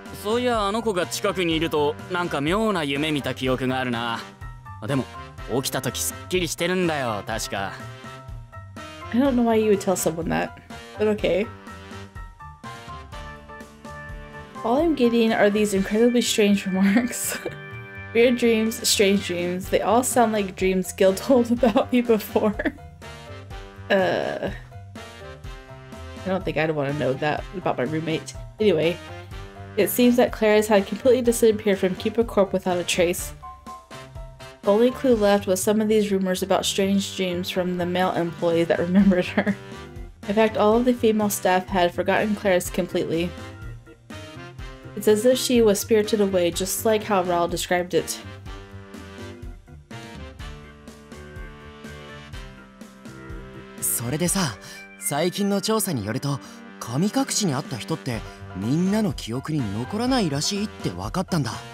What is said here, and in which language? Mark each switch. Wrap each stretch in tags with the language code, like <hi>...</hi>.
<ja>そういやあの子が近くにいるとなんか妙な夢見た記憶があるな。でも起きた時すっきりしてるんだよ確か。</ja> <en>I don't know why you would tell someone that, but okay. All I'm getting are these incredibly strange remarks. Weird dreams, strange dreams. They all sound like dreams Gil told about me before. I don't think I'd want to know that about my roommate. Anyway. It seems that Claris had completely disappeared from Cupid Corp without a trace. The only clue left was some of these rumors about strange dreams from the male employee that remembered her. In fact, all of the female staff had forgotten Claris completely. It's as if she was spirited away, just like how Raoul described it.</en> <ja>それでさ、最近の調査によると、神隠しにあった人って…みんなの記憶に残らないらしいって分かったんだ。</ja>